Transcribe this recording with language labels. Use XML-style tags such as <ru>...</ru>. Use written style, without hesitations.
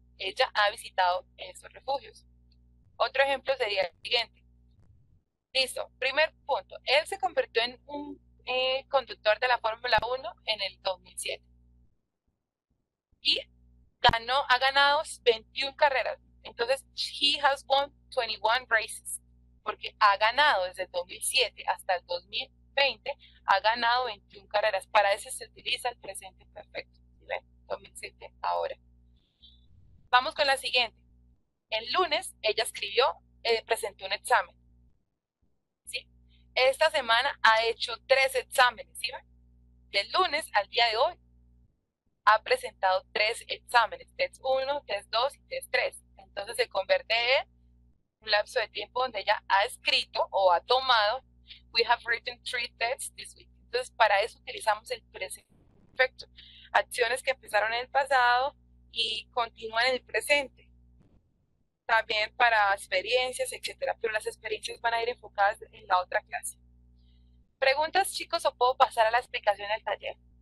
<es>Ella ha visitado esos refugios. Otro ejemplo sería el siguiente. Listo, primer punto. Él se convirtió en un conductor de la Fórmula 1 en el 2007. Y ha ganado 21 carreras.</es> <en>Entonces, he has won 21 races.</en> <es>Porque ha ganado desde el 2007 hasta el 2020, ha ganado 21 carreras. Para eso se utiliza el presente perfecto. ¿Sí ven? 2007 ahora. Vamos con la siguiente. El lunes ella escribió, presentó un examen. ¿Sí? Esta semana ha hecho 3 exámenes. ¿Sí? Del lunes al día de hoy ha presentado 3 exámenes. Test 1, test 2 y test 3. Entonces se convierte en un lapso de tiempo donde ella ha escrito o ha tomado.</es> <en>We have written 3 tests this week.</en> <es>Entonces para eso utilizamos el presente perfecto. Acciones que empezaron en el pasado y continúa en el presente, también para experiencias, etcétera, pero las experiencias van a ir enfocadas en la otra clase. ¿Preguntas, chicos, o puedo pasar a la explicación del taller?</es>